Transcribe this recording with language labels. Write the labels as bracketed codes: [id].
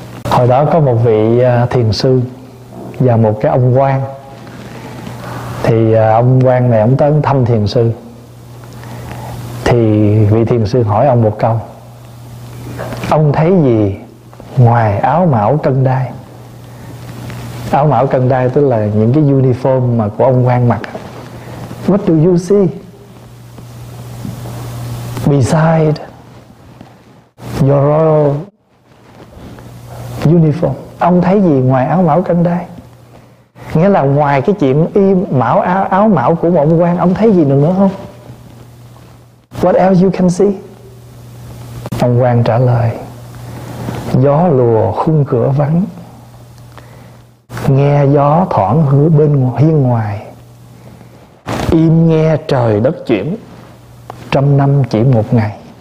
[vi] Hồi đó có một vị thiền sư và một cái ông quan, thì ông quan này ông tới thăm thiền sư. Thì vị thiền sư hỏi ông một câu: ông thấy gì ngoài áo mão cân đai? Áo mão cân đai tức là những cái uniform mà của ông quan mặc. [en] What do you see beside your royal uniform? [vi] Ông thấy gì ngoài áo mão cân đai? Nghĩa là ngoài cái chuyện y mão áo mão của ông quan, ông thấy gì được nữa không? [en] What else you can see? [vi] Ông quan trả lời: gió lùa khung cửa vắng, nghe gió thoảng hứa bên hiên ngoài, im nghe trời đất chuyển, trăm năm chỉ một ngày.